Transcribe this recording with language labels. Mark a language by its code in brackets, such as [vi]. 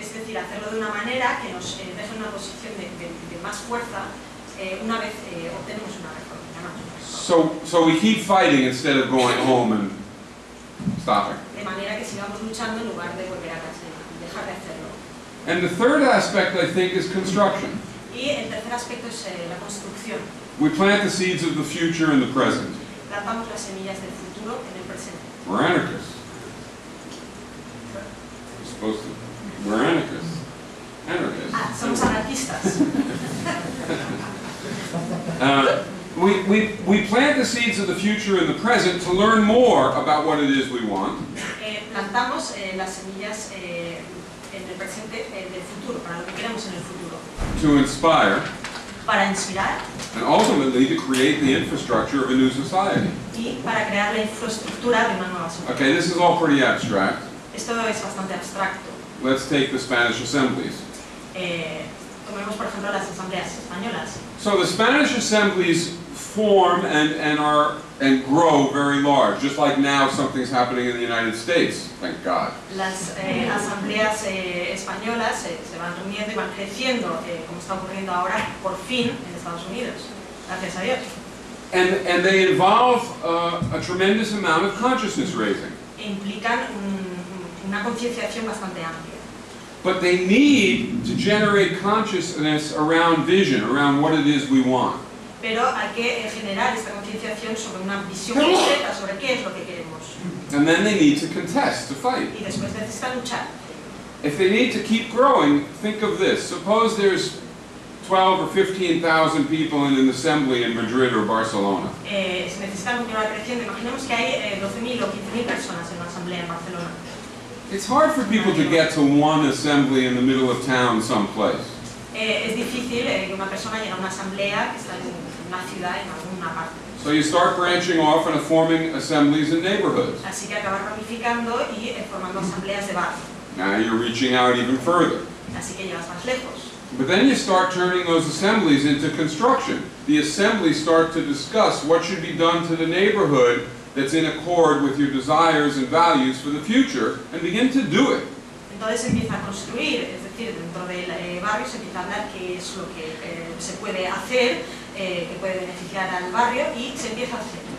[es] Hacerlo de una manera que nos deje una posición de más fuerza una vez obtenemos una reforma. [en] So we keep fighting instead of going home and stopping. [es] De manera que sigamos luchando en lugar de volver a casa y dejar de hacerlo. [en] And the third aspect, I think, is construction. [es] Y el tercer aspecto es la construcción. [en] We plant the seeds of the future in the present. [es] Plantamos las semillas del futuro en el presente. [en] We're anarchists. We're supposed to. We're anarchists. Anarchists. [es] Ah, somos anarquistas. [en] we plant the seeds of the future in the present to learn more about what it is we want. [es] Plantamos las semillas en el presente del futuro, para lo que queremos en el futuro. [en] To inspire. [es] Para inspirar. [en] And ultimately to create the infrastructure of a new society. [es] Y para crear la infraestructura de una nueva sociedad. [en] Okay, this is all pretty abstract. [es] Esto es bastante abstracto. [en] Let's take the Spanish assemblies. [es] Tomemos, por ejemplo, las asambleas españolas. [en] So the Spanish assemblies form and grow very large, just like now something's happening in the United States. Thank God. [es] Las asambleas españolas se van reuniendo y van creciendo, como está ocurriendo ahora, por fin, en Estados Unidos. Gracias a Dios. [en] And they involve a tremendous amount of consciousness raising. [es] Implican una concienciación bastante amplia. [en] But they need to generate consciousness around vision, around what it is we want. [es] Pero hay que generar esta concienciación sobre una visión concreta sobre qué es lo que queremos. [en] And then they need to contest, to fight. [es] Y después necesitan luchar. [en] If they need to keep growing, think of this. Suppose there's 12 or 15,000 people in an assembly in Madrid or Barcelona. [es] Si necesitan continuar creciendo, imaginemos que hay 12.000 o 15.000 personas en una asamblea en Barcelona. [en] It's hard for people to get to one assembly in the middle of town someplace. [es] Es difícil que una persona llegue a una asamblea que está en una ciudad en alguna parte. [en] So you start branching off and forming assemblies in neighborhoods. [es] Así que acabas ramificando y formando asambleas de barrio. [en] Now you're reaching out even further. [es] Así que llegas más lejos. [en] But then you start turning those assemblies into construction. The assemblies start to discuss what should be done to the neighborhood that's in accord with your desires and values for the future, and begin to do it. [es] Entonces empieza a construir, es decir, dentro del barrio se empieza a hablar qué es lo que se puede hacer, que puede beneficiar al barrio, y se empieza a hacer.